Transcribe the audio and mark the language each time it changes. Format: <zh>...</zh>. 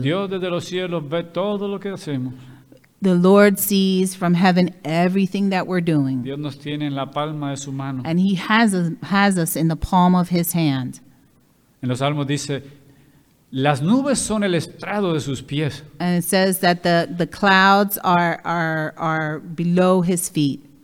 <es>Dios desde los cielos ve todo lo que hacemos.</es> <en>The Lord sees from heaven everything that we're doing.</en> <es>Dios nos tiene en la palma de su mano.</es> <en>And He has us in the palm of His hand.</en> <es>En los Salmos dice, las nubes son el estrado de sus pies.</es> <en>And it says that the clouds are below his feet.</en>